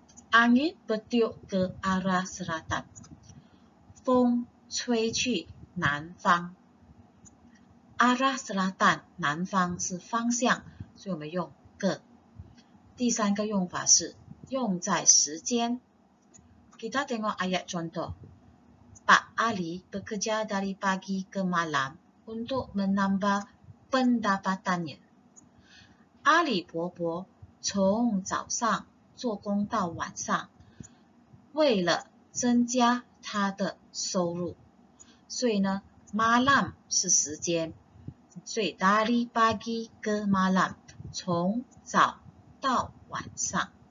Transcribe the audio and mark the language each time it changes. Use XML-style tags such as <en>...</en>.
<ms>Angin bertiup ke arah selatan.</ms> <zh>风吹去南方。</zh> <ms>Arah selatan</ms> <zh>南方是方向，所以我们用 ke。第三个用法是用在时间。</zh> <ms>kita tengok ayat contoh. Pak Ali bekerja dari pagi ke malam untuk menambah pendapatannya.</ms> <zh>Ali Bo Bo 从早上做工到晚上，为了增加他的收入，所以呢 ，malam 是时间，所以</zh> <ms>dari pagi ke malam</ms> <zh>从早到晚上。</zh>